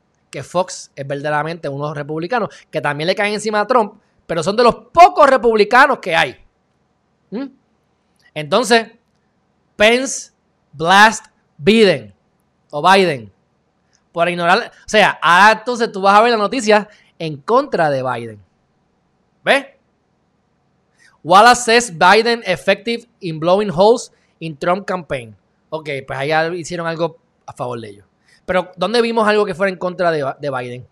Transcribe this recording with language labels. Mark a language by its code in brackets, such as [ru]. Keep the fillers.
[es] Que Fox es verdaderamente unos republicanos que también le caen encima a Trump, pero son de los pocos republicanos que hay. ¿Mm? Entonces, [en] Pence blast Biden [es] o Biden por ignorar. O sea, ahora entonces tú vas a ver las noticias en contra de Biden. ¿Ves? [en] Wallace says Biden effective in blowing holes in Trump campaign. [es] Ok, pues allá hicieron algo a favor de ellos. Pero, ¿dónde vimos algo que fuera en contra de, de Biden?